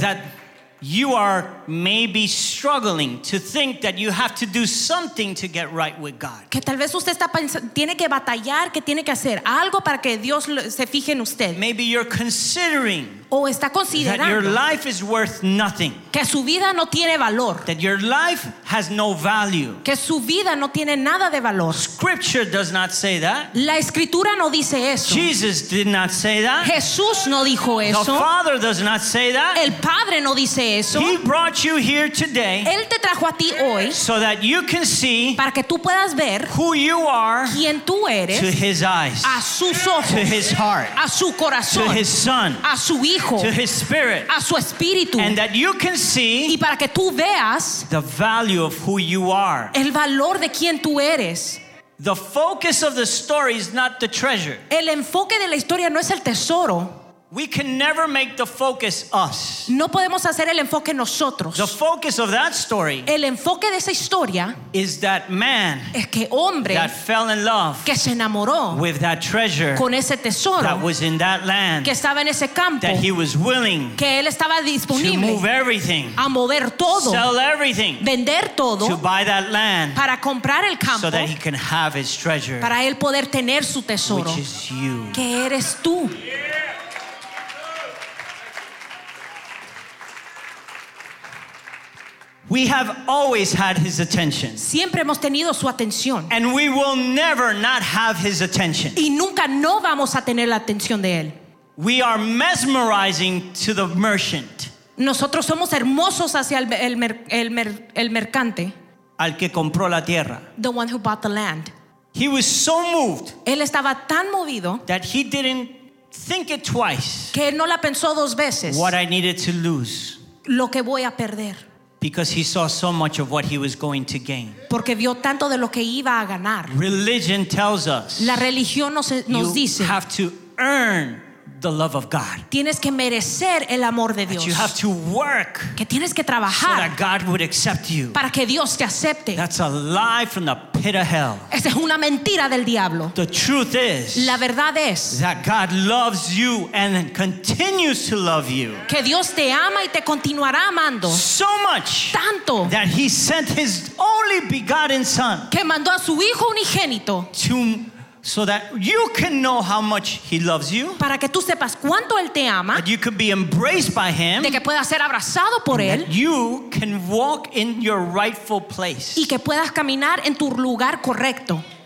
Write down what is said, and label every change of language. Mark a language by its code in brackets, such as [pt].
[en] That you are maybe struggling to think that you have to do something to get right with God. [es] Que tal vez usted está pensando, tiene que batallar, que tiene que hacer algo para que Dios se fije en usted. [en] Maybe you're considering. [es] O está considerando. [en] That your life is worth nothing. [es] Que su vida no tiene valor. [en] That your life has no value. [es] Que su vida no tiene nada de valor. [en] Scripture does not say that. [es] La escritura no dice eso. [en] Jesus did not say that. [es] Jesús no dijo eso. [en] The Father does not say that. [es] El Padre no dice eso. [en] He brought you here today. [es] Él te trajo a ti hoy. [en] So that you can see. [es] Para que tú puedas ver. [en] Who you are. [es] Quién tú eres. [en] To his eyes. [es] A sus ojos. [en] To his heart. [es] A su corazón. [en] To his son. [es] A su hijo. [en] To his spirit. [es] A su espíritu. [en] And that you can see. [es] Y para que tú veas. [en] The value of who you are. [es] El valor de quién tú eres. [en] The focus of the story is not the treasure. [es] El enfoque de la historia no es el tesoro. [en] We can never make the focus us. [es] No podemos hacer el enfoque nosotros. [en] The focus of that story. [es] El enfoque de esa historia. [en] Is that man. [es] Es que hombre. [en] That fell in love. [es] Que se enamoró. [en] With that treasure. [es] Con ese tesoro. [en] That was in that land. [es] Que estaba en ese campo. [en] That he was willing. [es] Que él estaba disponible. [en] To move everything. [es] A mover todo. [en] Sell everything. [es] Vender todo. [en] To buy that land. [es] Para comprar el campo. [en] So that he can have his treasure. [es] Para él poder tener su tesoro. [en] Which is you. [es] Que eres tú. [en] We have always had his attention. [es] Siempre hemos tenido su atención. [en] And we will never not have his attention. [es] Y nunca no vamos a tener la atención de él. [en] We are mesmerizing to the merchant. [es] Nosotros somos hermosos hacia el mercante. Al que compró la tierra. [en] The one who bought the land. He was so moved. [es] Él estaba tan movido. [en] That he didn't think it twice. [es] Que no la pensó dos veces. [en] What I needed to lose. [es] Lo que voy a perder. [en] Because he saw so much of what he was going to gain. [es] Porque vio tanto de lo que iba a ganar. [en] Religion tells us. [es] La religión nos dice. [en] You have to earn the love of God. [es] Tienes que merecer el amor de Dios. [en] That you have to work. [es] Que tienes que trabajar. [en] So that God would accept you. [es] Para que Dios te acepte. [en] That's a lie from the pit of hell. [es] Esa es una mentira del diablo. [en] The truth is. [es] La verdad es. [en] That God loves you and continues to love you. [es] Que Dios te ama y te continuará amando. [en] So much. [es] Tanto. [en] That he sent his only begotten son. [es] Que mandó a su hijo unigénito. [en] So that you can know how much he loves you. [es] Para que tú sepas cuánto él te ama. [en] That you can be embraced by him. [es] De que puedas ser abrazado por él. [en] That you can walk in your rightful place. [es] Y que puedas caminar en tu lugar correcto.